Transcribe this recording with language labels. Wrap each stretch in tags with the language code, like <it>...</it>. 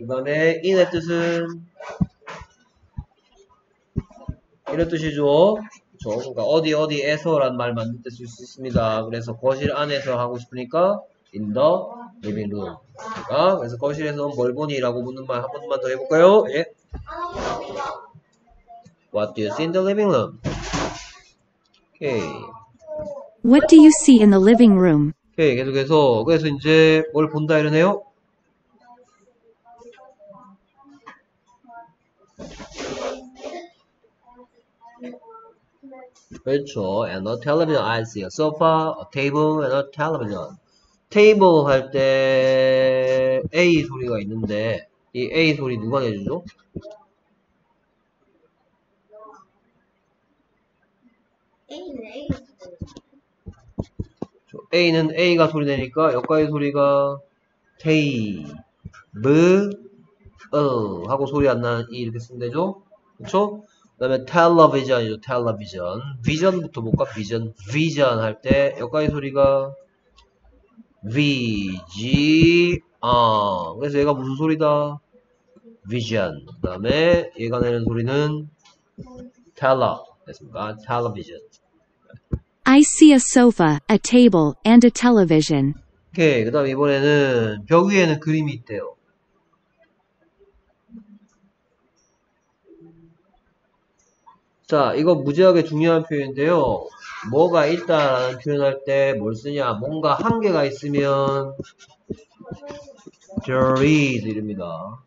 <ko>그 다음에 in의 뜻은 이런 뜻이죠. 그렇죠? 그러니까 어디 어디에서라는 말 만들 수 있습니다. 그래서 거실 안에서 하고 싶으니까 in the living room. 그러니까 그래서 거실에서 뭘 보니라고 묻는 말 한 번만 더 해볼까요? 예.</ko> <en>What do you see in the living room? Okay. What do you see in the living room? Okay.</en> <ko>계속해서 그래서 이제 뭘 본다 이러네요. 그렇죠.</ko> <en>And a television. I see a sofa, a table, and a television.</en> <ko>Table 할 때 A 소리가 있는데 이 A 소리 누가 내주죠? 그렇죠. A는 A가 소리 내니까 여기까지 소리가 table 하고 소리 안 나는 E 이렇게 쓰면 되죠? 그렇죠? 그 다음에 텔레비전이죠. 텔레비전. 비전부터 볼까? 비전. 비전 할 때 여기까지 소리가 비지언. 그래서 얘가 무슨 소리다? 비전. 그 다음에 얘가 내는 소리는 텔러. 됐습니까? 텔레비전.</ko> <en>I see a sofa, a table, and a television.</en> <ko>오케이. 그 다음 이번에는 벽 위에는 그림이 있대요. 자, 이거 무지하게 중요한 표현인데요. 뭐가 있다라는 표현할 때 뭘 쓰냐? 뭔가 한계가 있으면 there is 이릅니다.</ko>